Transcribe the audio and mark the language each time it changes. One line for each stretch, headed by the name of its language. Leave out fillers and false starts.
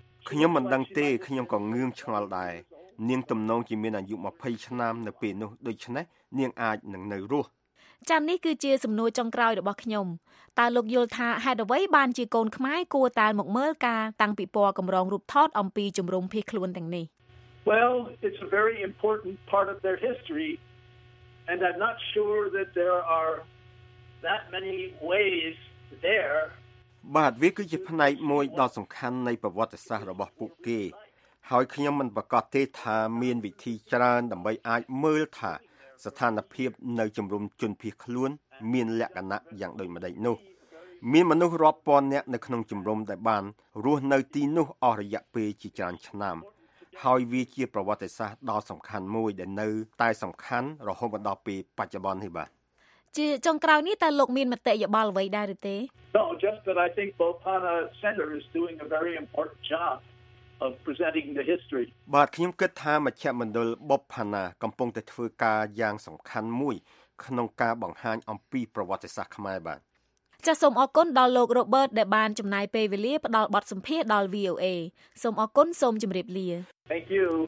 Khmer: ខ្ញុំមិនដឹងទេខ្ញុំក៏ងឿងឆ្ងល់ដែរនាងទំនងជាមានអាយុ20ឆ្នាំនៅពេលនោះដូច្នេះនាងអាចនឹងនៅរស់ចាំនេះគឺជាសំណួរចុងក្រោយរបស់ខ្ញុំតើលោកយល់ថាហេតុអ្វីបានជាកូនខ្មែរគួរតាមមកមើលការតាំងពិព័រណ៍កម្រងរូបថតអំពីជំរំភៀសខ្លួនទាំងនេះ
English: Well it's a very important part of their history and I'm not sure that there are that many ways there
Khmer: បាទវាគឺជាផ្នែកមួយដ៏សំខាន់នៃប្រវត្តិសាស្ត្ររបស់ពួកគេហើយខ្ញុំមិនប្រកាសទេថាមានវិធីច្រើនដើម្បីអាចមើលថាស្ថានភាពនៅជំរំជនភៀសខ្លួនមានលក្ខណៈយ៉ាងដូចម្តេចនោះមានមនុស្សរាប់ពាន់នាក់នៅក្នុងជំរំដែលបានរស់នៅទីនោះអស់រយៈពេលជាច្រើនឆ្នាំហើយវាជាប្រវត្តិសាស្ត្រដ៏សំខាន់មួយដែលនៅតែសំខាន់រហូតមកដល់ពេលបច្ចុប្បន្ននេះបាទ ជាចុងក្រោយនេះតើលោកមានមតិយោបល់អ្វីដែរឬទេ
English: No just that I think Bopana Center is doing a very important job of presenting the history
Khmer: បាទខ្ញុំគិតថាមជ្ឈមណ្ឌលបុប្ផាណាកំពុងតែធ្វើការយ៉ាងសំខាន់មួយក្នុងការបង្ហាញអំពីប្រវត្តិសាស្ត្រខ្មែរបាទ ចាសសូមអរគុណដល់លោក Robert ដែលបានចំណាយពេលវេលាផ្ដល់បទសម្ភាសន៍ដល់ VOA សូមអរគុណសូមជម្រាបលា
English: Thank you